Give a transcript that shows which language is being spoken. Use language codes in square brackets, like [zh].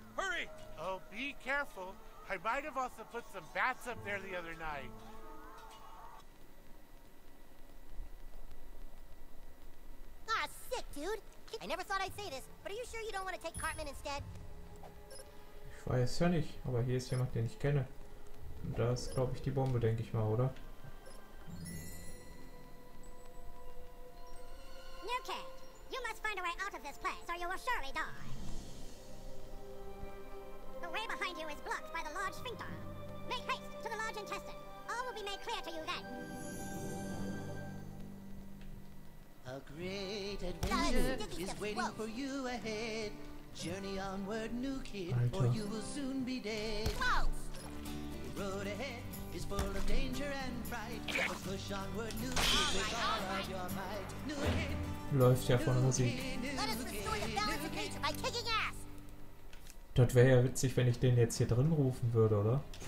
[en] Hurry! Oh, be careful. I might have also put some bats up there the other night. Ah, sick, dude. I never thought I'd say this, but are you sure you don't want to take Cartman instead? [de] Ich weiß ja nicht, aber hier ist jemand, den ich kenne. Und da ist, glaube ich, die Bombe, denke ich mal, oder? [en] New kid, you must find a way out of this place or you will surely die. The way behind you is blocked by the large sphincter. Make haste to the large intestine. All will be made clear to you then. A great adventure is waiting for you ahead. Journey onward, new kid, or you will soon be dead. Whoa! The road ahead is full of danger and fright. But push onward, new kid, with all of your might. New kid, [de] läuft ja von Musik. [en] Let us restore the balance of nature by kicking ass! [de] Das wäre ja witzig, wenn ich den jetzt hier drin rufen würde, oder?